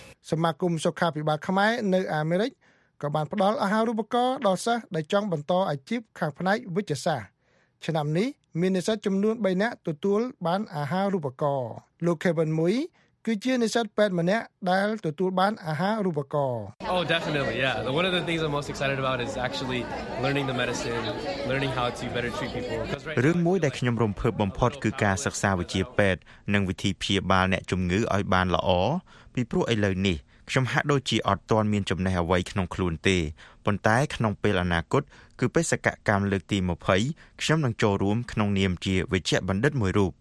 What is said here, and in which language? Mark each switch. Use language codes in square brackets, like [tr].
[km] សមាគមសុខាភិបាលខ្មែរនៅអាមេរិកក៏បានផ្ដល់អាហារូបករណ៍ដល់សិស្សដែលចង់បន្តអាជីពខាងផ្នែកវិទ្យាសាស្ត្រឆ្នាំនេះមាននិស្សិតចំនួន3នាក់ទទួលបានអាហារូបករណ៍លោក Kevin Muy គឺជានិស្សិត8ម្នាក់ដែលទទួលបានអាហារូបករណ៍ [en] Oh definitely yeah one of the things I'm most excited about is actually learning the medicine learning how to better treat people because right [km] រឿងមួយដែលខ្ញុំរំភើបបំផុតគឺការសិក្សាវិជ្ជាពេទ្យនិងវិធីព្យាបាលអ្នកជំងឺឲ្យបានល្អពីព្រោះឥឡូវនេះខ្ញុំហាក់ដូចជាអត់ទាន់មានចំណេះអ្វីក្នុងខ្លួនទេប៉ុន្តែក្នុងពេលអនាគតគឺបេសកកម្មលើកទី20ខ្ញុំនឹងចូលរួមក្នុងនាមជាវេជ្ជបណ្ឌិតមួយរូប